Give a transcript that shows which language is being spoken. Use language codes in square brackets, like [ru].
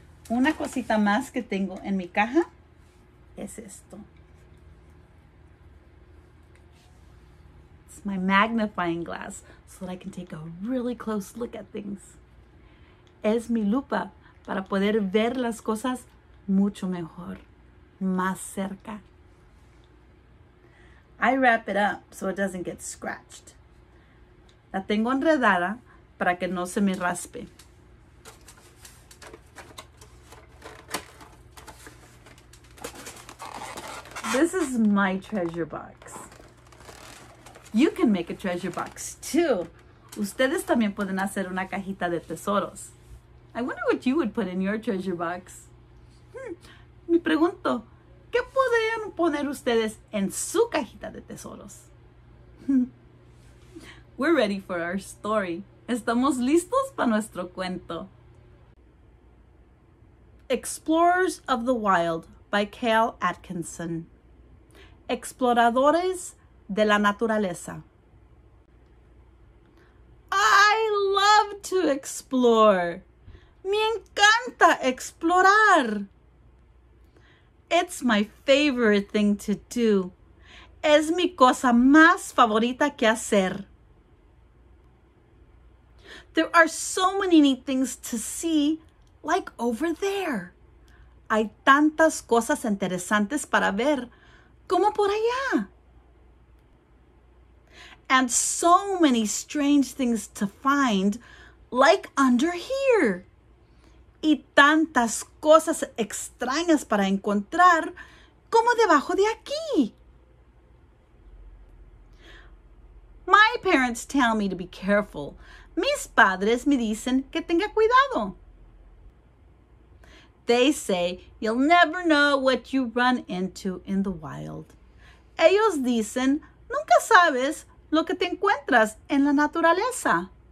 [es] Una cosita más que tengo en mi caja es esto. [en] My magnifying glass so that I can take a really close look at things. [es] Es mi lupa para poder ver las cosas mucho mejor, más cerca. [en] I wrap it up so it doesn't get scratched. [es] La tengo enredada para que no se me raspe. [en] This is my treasure box. You can make a treasure box too. [es] Ustedes también pueden hacer una cajita de tesoros. [en] I wonder what you would put in your treasure box. [es] Me pregunto, ¿qué podrían poner ustedes en su cajita de tesoros? [en] We're ready for our story. [es] Estamos listos para nuestro cuento. [en] Explorers of the Wild by Cale Atkinson. [es] Exploradores de la Naturaleza. [en] I love to explore. [es] Me encanta explorar. [en] It's my favorite thing to do. [es] Es mi cosa más favorita que hacer. [en] There are so many neat things to see, like over there. [es] Hay tantas cosas interesantes para ver, como por allá. [en] And so many strange things to find, like under here. [es] Y tantas cosas extrañas para encontrar, como debajo de aquí. [en] My parents tell me to be careful. [es] Mis padres me dicen que tenga cuidado. [en] They say you'll never know what you run into in the wild. [es] Ellos dicen, nunca sabes lo que te encuentras en la naturaleza.